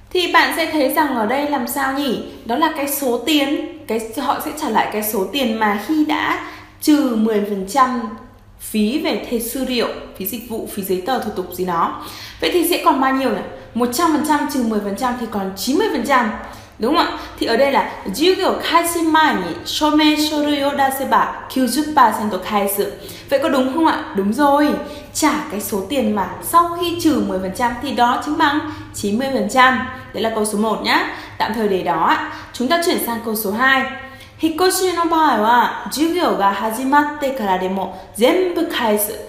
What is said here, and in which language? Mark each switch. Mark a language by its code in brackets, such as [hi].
[vi] Thì bạn sẽ thấy rằng ở đây làm sao nhỉ? Đó là cái số tiền, cái họ sẽ trả lại cái số tiền mà khi đã trừ 10% phí về thẻ sư liệu, phí dịch vụ, phí giấy tờ, thủ tục gì đó. Vậy thì sẽ còn bao nhiêu nhỉ? 100% trừ 10% thì còn 90%. Đúng không ạ? Thì ở đây là [ja] 授業開始前に署名書類を出せば90%返す. [vi] Vậy có đúng không ạ? Đúng rồi. Trả cái số tiền mà sau khi trừ 10% thì đó chính bằng 90%. Đấy là câu số 1 nhá. Tạm thời để đó ạ. Chúng ta chuyển sang câu số 2. [ja] Hikkoshi no bai wa jugyo ga hajimatte kara demo zenbu kaesu.